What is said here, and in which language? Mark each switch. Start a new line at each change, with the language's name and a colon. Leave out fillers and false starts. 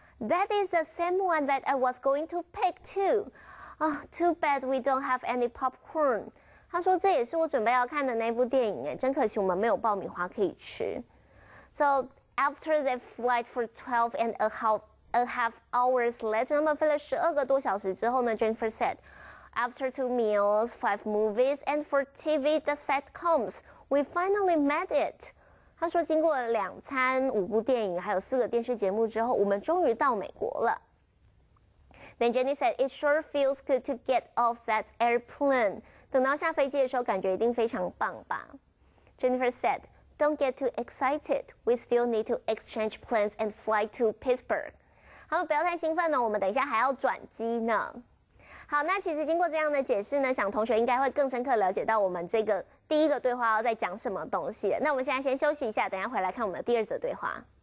English: That is the same one that I was going to pick too. Oh, too bad we don't have any popcorn.
Chinese: 他说这也是我准备要看的那部电影耶，真可惜我们没有爆米花可以吃。
English: So after they flight for 12.5 hours later,
Chinese: 他们飞了12个多小时之后呢
English: ，Jennifer said, after 2 meals, 5 movies, and 4 TV the sitcoms, we finally made it.
Chinese: 他说经过了2餐、5部电影还有4个电视节目之后，我们终于到美国了。
English: Then Jenny said, it sure feels good to get off that airplane.
Chinese: 等到下飞机的时候感觉一定非常棒吧。
English: Jennifer said, don't get too excited. We still need to exchange planes and fly to Pittsburgh.
Chinese: 他说不要太兴奋哦，我们等一下还要转机呢。好，那其实经过这样的解释呢，想同学应该会更深刻了解到我们这个第一个对话要在讲什么东西。那我们现在先休息一下，等一下回来看我们的第二则对话。